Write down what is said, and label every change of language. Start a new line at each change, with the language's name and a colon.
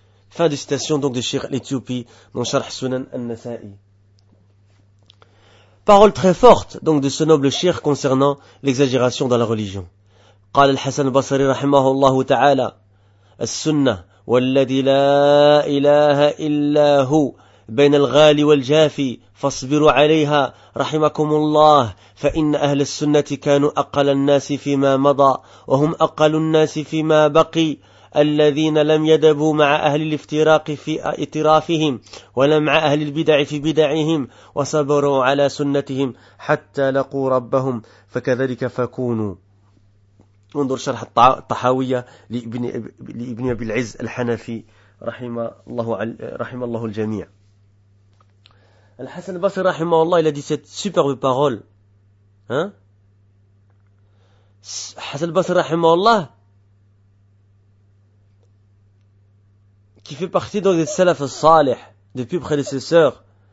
French: Fin de citation donc de Cheikh l'Éthiopie dans Sharh Sunan al-Nasa'i. Parole très forte donc de ce noble cheikh concernant l'exagération dans la religion.
Arabic: قال الحسن البصري رحمه الله تعالى السنة والذي لا إله إلا هو بين الغالي والجافي فاصبروا عليها رحمكم الله، فإن أهل السنة كانوا أقل الناس فيما مضى وهم أقل الناس فيما بقي، الذين لم يدبوا مع أهل الافتراق في اعترافهم ولا مع أهل البدع في بدعهم، وصبروا على سنتهم حتى لقوا ربهم، فكذلك فكونوا. انظر شرح الطحاوية لابن أبي العز الحنفي رحم الله الجميع.
French: الحسن البصري رحمه الله il a dit cette superbe parole. Hassan al-Basri رحمه الله qui fait partie donc des salaf al-salih, des plus prédécesseurs.